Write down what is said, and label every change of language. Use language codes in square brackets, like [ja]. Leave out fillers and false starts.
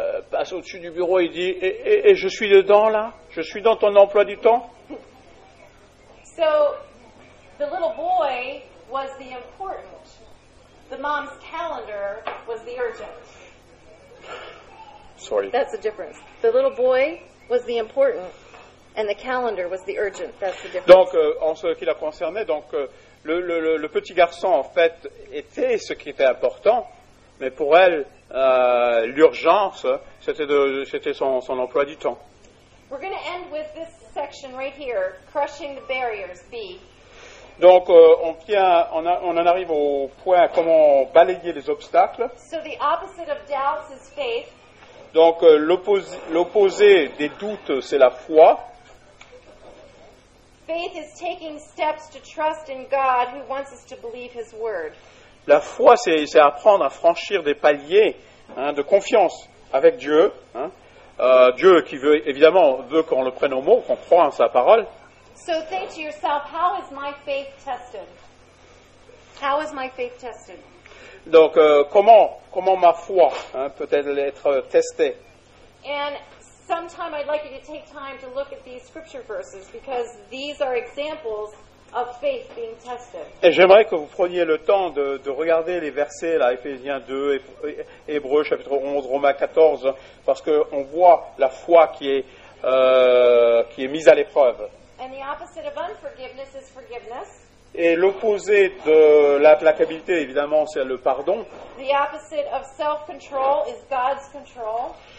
[fr] passe au-dessus du bureau et dit et je suis dedans là, je suis dans ton emploi du temps. [en] So the little boy was the important. The mom's calendar was the urgent. Sorry. That's the difference. The little boy was the important and the calendar was the urgent. That's the difference. [fr] Donc en ce qui la concernait, donc le petit garçon en fait était ce qui était important, mais pour elle l'urgence, c'était son emploi du temps. [en] We're going to end with this section right here, crushing the barriers, B. [fr] Donc, on en arrive au point comment balayer les obstacles. [en] So the opposite of doubts is faith. [fr] Donc, l'opposé des doutes, c'est la foi. [en] Faith is taking steps to trust in God who wants us to believe His word. [fr] La foi, c'est apprendre à franchir des paliers de confiance avec Dieu. Dieu qui veut, évidemment, veut qu'on le prenne au mot, qu'on croit en sa parole. [en] So think to yourself, how is my faith tested? How is my faith tested? [fr] Donc, comment ma foi peut-elle être testée? [en] And sometime I'd like you to take time to look at these scripture verses, because these are examples of faith being tested. [fr] Et j'aimerais que vous preniez le temps de regarder les versets là, Éphésiens 2, Hébreux chapitre 11, Romains 14, parce que on voit la foi qui est mise à l'épreuve. [en] And the opposite of unforgiveness is forgiveness. [fr] Et l'opposé de l'implacabilité, évidemment, c'est le pardon. [en] The opposite of self-control is God's control.